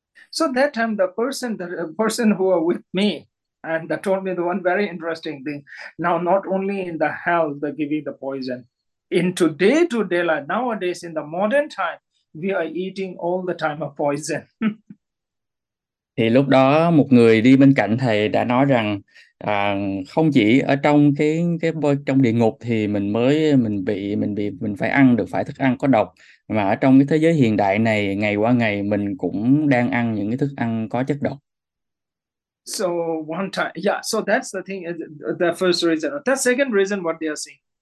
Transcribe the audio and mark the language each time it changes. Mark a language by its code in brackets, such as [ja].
[en] So that time the person who are with me, And that told me the one very interesting thing. Now, not only in the health, the giving the poison, in day-to-day life, nowadays in the modern time, we are eating all the time a poison. [vi] Thì lúc đó một người đi bên cạnh thầy đã nói rằng không chỉ ở trong cái trong địa ngục thì mình phải ăn được phải thức ăn có độc, mà ở trong cái thế giới hiện đại này ngày qua ngày mình cũng đang ăn những cái thức ăn có chất độc. [en] So one time, yeah. So that's the thing, the first reason. The second reason, what they are saying.